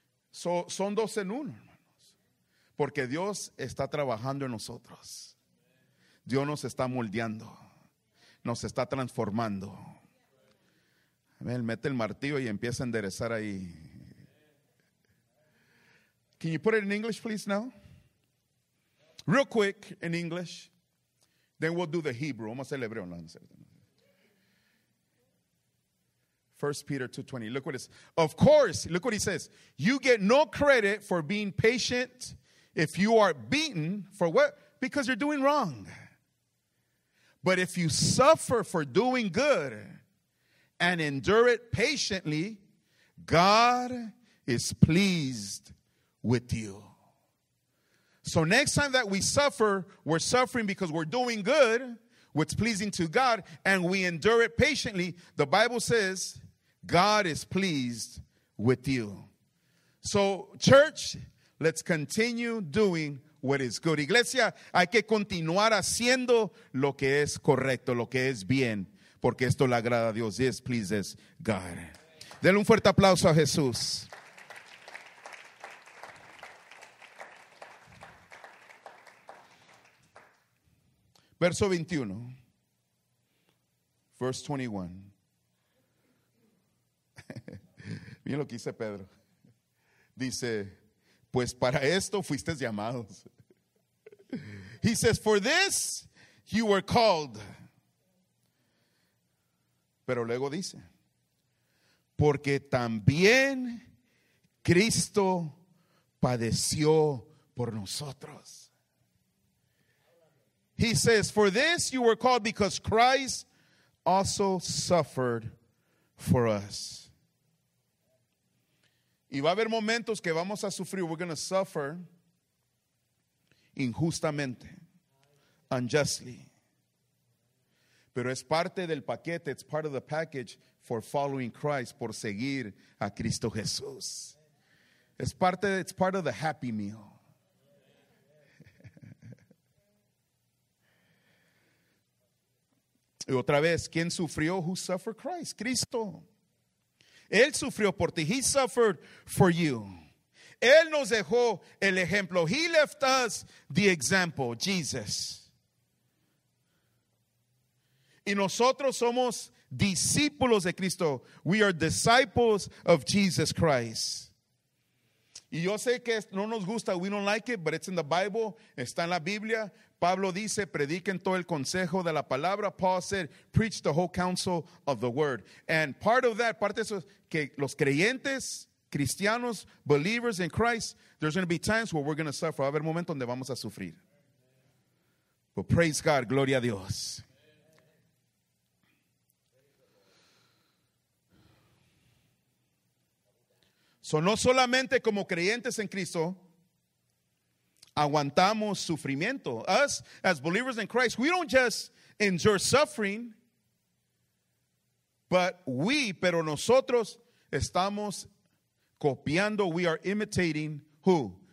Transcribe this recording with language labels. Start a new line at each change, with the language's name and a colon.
Spanish: So, son dos en uno, hermanos, porque Dios está trabajando en nosotros. Dios nos está moldeando, nos está transformando. Amén. Mete el martillo y empieza a enderezar ahí.
English: Can you put it in English, please, now? Real quick in English, then we'll do the Hebrew.
Spanish: Vamos a hacer el hebreo.
English: 1 Peter 2:20, look what it says. Of course, look what he says. You get no credit for being patient if you are beaten. For what? Because you're doing wrong. But if you suffer for doing good and endure it patiently, God is pleased with you. So next time that we suffer, we're suffering because we're doing good, what's pleasing to God, and we endure it patiently, the Bible says, God is pleased with you. So, church, let's continue doing what is good.
Spanish: Iglesia, hay que continuar haciendo lo que es correcto, lo que es bien, porque esto le agrada a Dios.
English: This pleases God.
Spanish: Denle un fuerte aplauso a Jesús. Verso 21.
English: Verse 21.
Spanish: Mira lo que dice Pedro. Dice, pues para esto fuisteis llamados.
English: He says, for this you were called.
Spanish: Pero luego dice, porque también Cristo padeció por nosotros.
English: He says, for this you were called because Christ also suffered for us.
Spanish: Y va a haber momentos que vamos a sufrir.
English: We're going to suffer
Spanish: injustamente,
English: unjustly.
Spanish: Pero es parte del paquete,
English: it's part of the package for following Christ,
Spanish: por seguir a Cristo Jesús. Es parte,
English: it's part of the happy meal.
Spanish: Y otra vez, ¿quién sufrió?
English: Who suffered? Christ,
Spanish: Cristo. Él sufrió por ti.
English: He suffered for you.
Spanish: Él nos dejó el ejemplo.
English: He left us the example,
Spanish: Jesus. Y nosotros somos discípulos de Cristo.
English: We are disciples of Jesus Christ.
Spanish: Y yo sé que no nos gusta,
English: we don't like it, but it's in the Bible,
Spanish: está en la Biblia. Pablo dice, prediquen todo el consejo de la palabra.
English: Paul said, preach the whole counsel of the word. And part of that,
Spanish: parte de eso,
English: que los creyentes, cristianos, believers in Christ, there's going to be times where we're going to suffer.
Spanish: Va a haber momentos donde vamos a sufrir.
English: But praise God,
Spanish: gloria a Dios. So no solamente como creyentes en Cristo, aguantamos sufrimiento.
English: Us, as believers in Christ, we don't just endure suffering, but we,
Spanish: pero nosotros, estamos copiando,
English: we are imitating who?